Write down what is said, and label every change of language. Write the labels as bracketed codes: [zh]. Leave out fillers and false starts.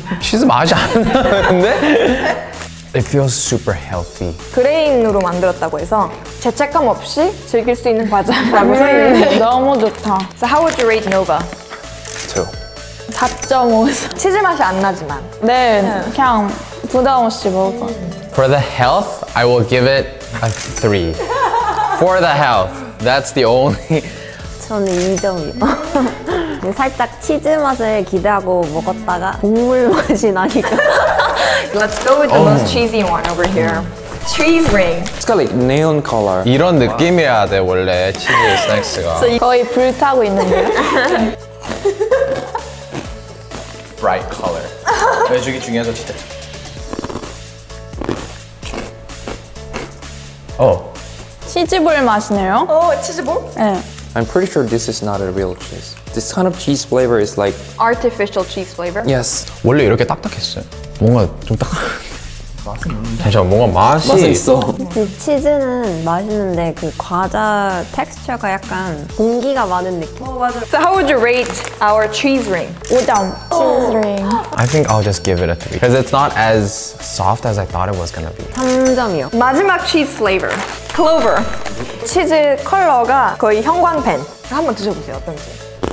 [ko] 치즈 맛이 안 나는데? [en] It feels super healthy. [ko] 그레인으로 만들었다고 해서 죄책감 없이 즐길 수 있는 과자라고 생각했는데 너무 좋다. [en] So how would you rate Nova? 2. 4.5. [ko] 치즈 맛이 안 나지만 네, 그냥 부담 없이 먹을 것 같아. [en] For the health, I will give it a 3. For the health, that's the only... [ko] 저는 2점이요. 살짝 치즈 맛을 기대하고 먹었다가 국물 맛이 나니까. [en] Let's go with the most cheesy one over here. Cheese ring. It's got like neon color. [ko] 이런 느낌이야 돼, 원래 치즈 스낵스가. 거의 불타고 있는 거야. [en] Bright color. [ko] 외주기 중요해서 진짜. Oh. 치즈볼 맛이네요. 오, 치즈볼? 네. [en] I'm pretty sure this is not a real cheese. This kind of cheese flavor is like... Artificial cheese flavor? Yes. [ko] 원래 이렇게 딱딱했어요. 뭔가 좀 딱... 괜찮아, 뭔가 맛이 있어. 그 치즈는 맛있는데 그 과자 텍스처가 약간 공기가 많은 느낌. 어, 맞아. [en] So how would you rate our cheese ring? [ko] 5점. Cheese ring. [en] I think I'll just give it a 3. Because it's not as soft as I thought it was gonna be. [ko] 3점이요. 마지막 cheese flavor. Clover. 치즈 컬러가 거의 형광펜. 한번 드셔보세요, 어떤지.